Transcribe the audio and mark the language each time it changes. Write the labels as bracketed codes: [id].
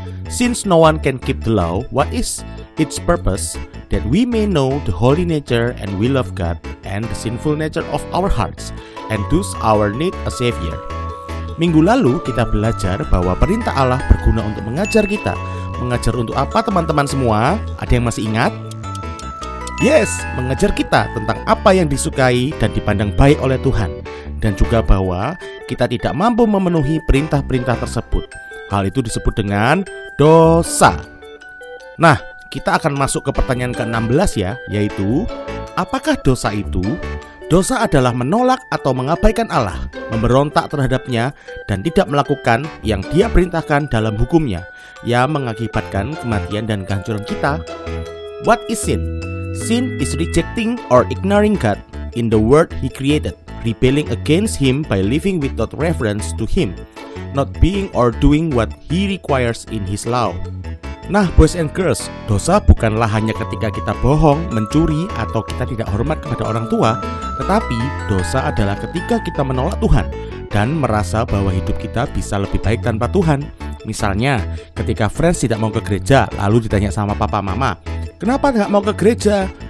[en] Since no one can keep the law, what is its purpose? That we may know the holy nature and will of God, and the sinful nature of our hearts, and thus our need a savior. [id] Minggu lalu kita belajar bahwa perintah Allah berguna untuk mengajar kita. Mengajar untuk apa teman-teman semua? Ada yang masih ingat? Yes, mengajar kita tentang apa yang disukai dan dipandang baik oleh Tuhan. Dan juga bahwa kita tidak mampu memenuhi perintah-perintah tersebut. Hal itu disebut dengan dosa. Nah, kita akan masuk ke pertanyaan ke-16 ya, yaitu apakah dosa itu? Dosa adalah menolak atau mengabaikan Allah, memberontak terhadapnya, dan tidak melakukan yang Dia perintahkan dalam hukumnya, yang mengakibatkan kematian dan kehancuran kita. [en] What is sin? Sin is rejecting or ignoring God in the world He created, rebelling against Him by living without reverence to Him, not being or doing what He requires in His law. [id] Nah, [en] boys and girls, [id] dosa bukanlah hanya ketika kita bohong, mencuri, atau kita tidak hormat kepada orang tua, tetapi dosa adalah ketika kita menolak Tuhan dan merasa bahwa hidup kita bisa lebih baik tanpa Tuhan. Misalnya, ketika friends tidak mau ke gereja, lalu ditanya sama papa mama, kenapa nggak mau ke gereja?